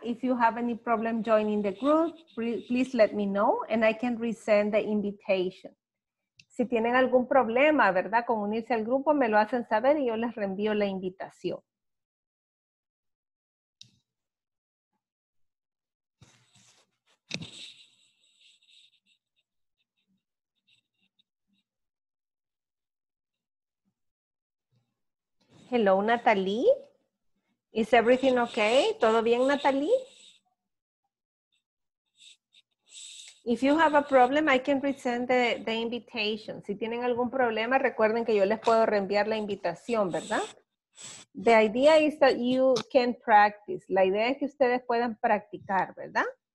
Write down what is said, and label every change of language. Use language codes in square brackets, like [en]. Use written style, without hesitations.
[en] If you have any problem joining the group, please let me know and I can resend the invitation. [es] Si tienen algún problema, ¿verdad?, con unirse al grupo, me lo hacen saber y yo les reenvío la invitación. [en] Hello, Natalie. Is everything okay? [es] ¿Todo bien, Natalie? [en] If you have a problem, I can resend the invitation. [es] Si tienen algún problema, recuerden que yo les puedo reenviar la invitación, ¿verdad? [en] The idea is that you can practice. [es] La idea es que ustedes puedan practicar, ¿verdad?